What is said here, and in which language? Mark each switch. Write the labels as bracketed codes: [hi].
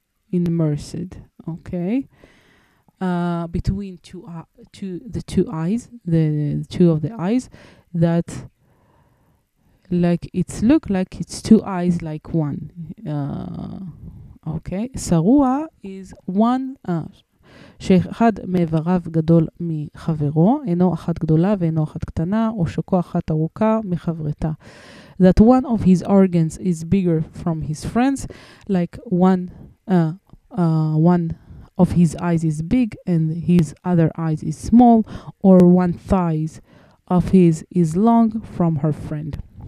[en] Immersed, okay. Between two eyes, the two of the eyes, that like it's look like it's two eyes like one. Okay. Sarua is one. [he] שאחד מעבריו גדול מחברו, אינו אחת גדולה ואינו אחת קטנה, או שוקו אחת ארוכה מחברתה. [en] That one of his organs is bigger from his friends, like one of his eyes is big and his other eyes is small, or one thigh of his is long from her friend.